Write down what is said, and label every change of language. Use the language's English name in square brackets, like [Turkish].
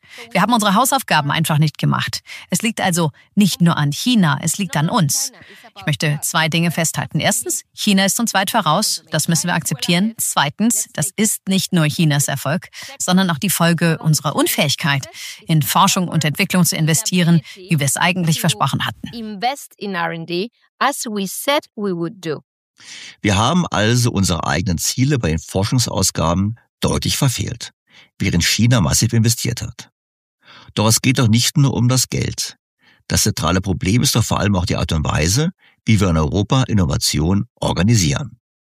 [German] Wir haben unsere Hausaufgaben einfach nicht gemacht. Es liegt also nicht nur an China, es liegt an uns. Ich möchte zwei Dinge festhalten. Erstens, China ist uns weit voraus, das müssen wir akzeptieren. Zweitens, das ist nicht nur Chinas Erfolg, sondern auch die Folge unserer Unfähigkeit, in Forschung und Entwicklung zu investieren, wie wir es eigentlich versprochen hatten. [English] Invest in R&D, as we said we would do. [German] Wir haben also unsere eigenen Ziele bei den Forschungsausgaben deutlich verfehlt, während China massiv investiert hat. Doch es geht doch nicht nur um das Geld. Das zentrale Problem ist doch vor allem auch die Art und Weise, wie wir in Europa Innovation organisieren.